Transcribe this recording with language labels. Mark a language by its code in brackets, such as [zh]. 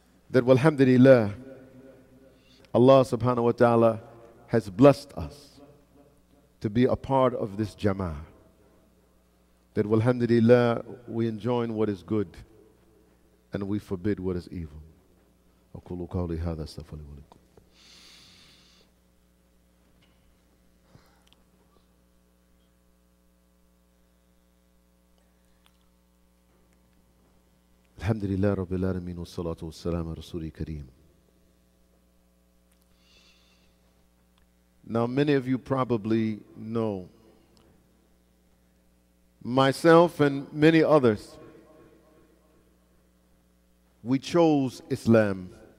[en] That, alhamdulillah, Allah subhanahu wa ta'ala has blessed us to be a part of this jama'ah. That, alhamdulillah, we enjoin what is good and we forbid what is evil. [ar] أقول قولي هذا استغفر الله لكم. الحمد لله رب العالمين والصلاة والسلام على رسوله الكريم. [en] Now many of you probably know myself and many others, we chose Islam.